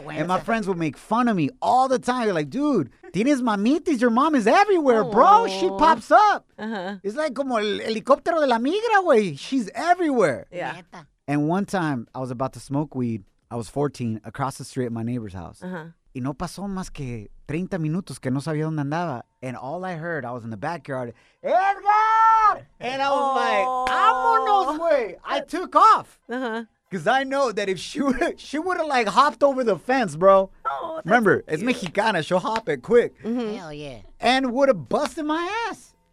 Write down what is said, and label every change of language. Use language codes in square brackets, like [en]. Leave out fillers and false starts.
[en] And my friends would make fun of me all the time. They're like, dude, [es] tienes mamitis, [en] your mom is everywhere, bro. Aww. She pops up. Uh-huh. It's like [es] como el helicóptero de la migra, güey. [en] She's everywhere. Yeah. And one time, I was about to smoke weed. I was 14, across the street at my neighbor's house. Uh-huh. [es] Y no pasó más que 30 minutos que no sabía dónde andaba. [en] And all I heard, I was in the backyard, Edgar! And I was [es] vámonos, güey. [en] I took off. Because I know that if she would have, like, hopped over the fence, bro. Oh, remember, cute. It's Mexicana. She'll hop it quick. Mm-hmm. Hell yeah. And would have busted my ass.